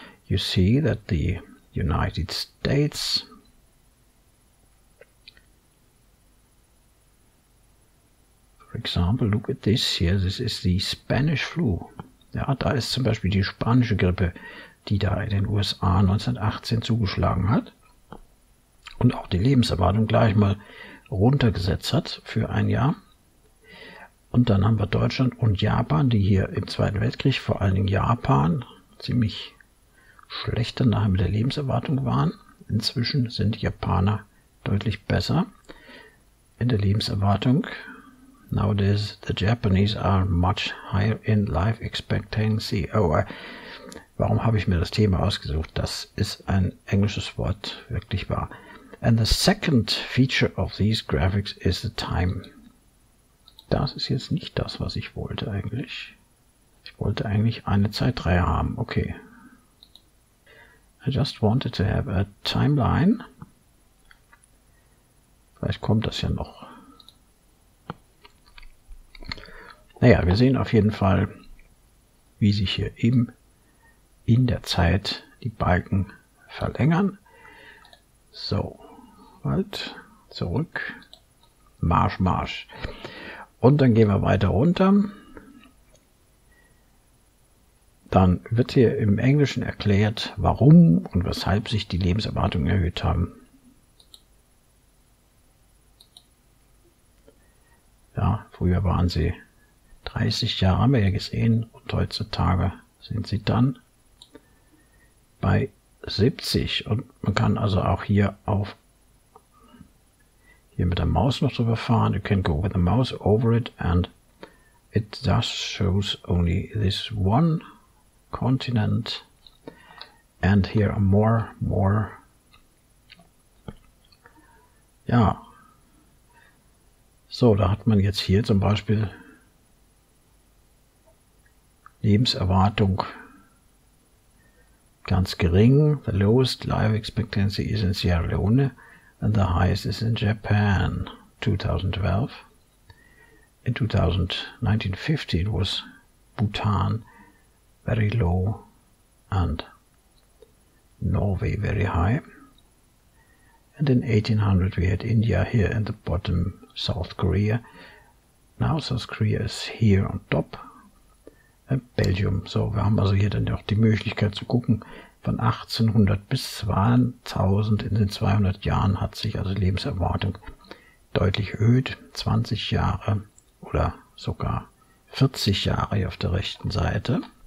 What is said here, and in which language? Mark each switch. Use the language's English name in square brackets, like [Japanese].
[English] You see that the United States for example, look at this here, this is the Spanish flu. [German] Ja, da ist zum Beispiel die spanische Grippe, die da in den USA 1918 zugeschlagen hat und auch die Lebenserwartung gleich mal runtergesetzt hat für ein Jahr. Und dann haben wir Deutschland und Japan, die hier im Zweiten Weltkrieg, vor allen Dingen Japan, ziemlich schlechter nachher mit der Lebenserwartung waren. Inzwischen sind Japaner deutlich besser in der Lebenserwartung. [English] Nowadays, the Japanese are much higher in life expectancy. [German] Oh, warum habe ich mir das Thema ausgesucht? Das ist ein englisches Wort, wirklich wahr. [English] And the second feature of these graphics is the time. [German] Das ist jetzt nicht das, was ich wollte eigentlich. Ich wollte eigentlich eine Zeitreihe haben. [English] Okay. I just wanted to have a timeline. [German] Vielleicht kommt das ja noch. Naja, wir sehen auf jeden Fall, wie sich hier eben in der Zeit die Balken verlängern. So, halt, zurück, Marsch, Marsch. Und dann gehen wir weiter runter. Dann wird hier im Englischen erklärt, warum und weshalb sich die Lebenserwartung erhöht haben. Ja, früher waren sie 30 Jahre, haben wir ja gesehen, und heutzutage sind sie dann bei 70. Und man kann also auch hier mit der Maus noch drüber fahren. [English] You can go with the mouse over it and it just shows only this one continent. And here are more. [German] Ja. So, da hat man jetzt hier zum Beispiel Lebenserwartung ganz gering. [English] The lowest life expectancy is in Sierra Leone and the highest is in Japan. 2012. In 1950 was Bhutan very low and Norway very high. And in 1800 we had India here in the bottom, South Korea. Now South Korea is here on top. Belgium. [German] So, wir haben also hier dann auch die Möglichkeit zu gucken, von 1800 bis 2000, in den 200 Jahren hat sich also die Lebenserwartung deutlich erhöht, 20 Jahre oder sogar 40 Jahre hier auf der rechten Seite.